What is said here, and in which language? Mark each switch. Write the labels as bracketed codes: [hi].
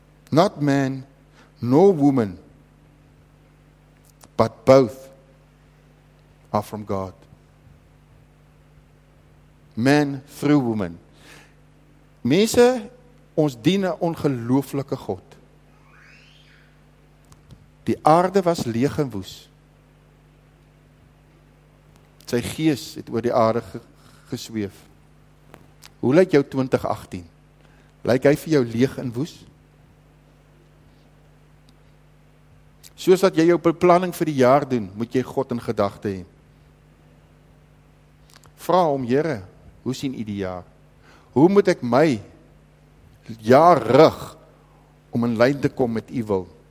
[en] Not man, nor woman, but both are from God. Man through woman. [af] Mense, ons dien 'n ongelooflike God. Die aarde was leeg en woes. Sy gees het oor die aarde gesweef. Hoe lyk jou 2018? Lyk hy vir jou leeg en woes? Soos dat jy jou beplanning vir die jaar doen, moet jy God in gedagte hê. Vra hom, Here, hoe sien u die jaar? Hoe moet ek my jaar rig om in lyn te kom met u wil?